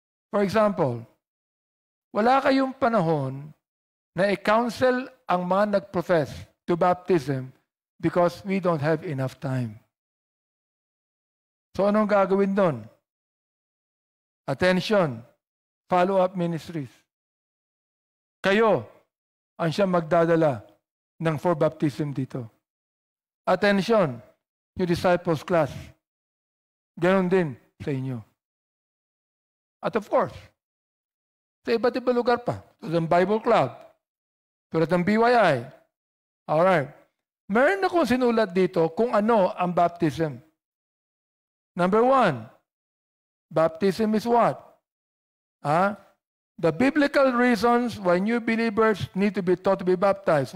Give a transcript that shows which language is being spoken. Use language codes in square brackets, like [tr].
[tl] For example, wala kayong panahon na i-counsel ang mga nag-profess to baptism [en] because we don't have enough time. [tl] So anong gagawin doon? [en] Attention, follow-up ministries. [tl] Kayo ang siya magdadala ng for baptism dito. [en] Attention, yung disciples class. [tl] Ganon din sa inyo. At of course, sa iba't iba lugar pa, sa Bible Club, sa BYI. Alright. Meron akong sinulat dito kung ano ang baptism. [en] Number one, baptism is what? The biblical reasons why new believers need to be taught to be baptized.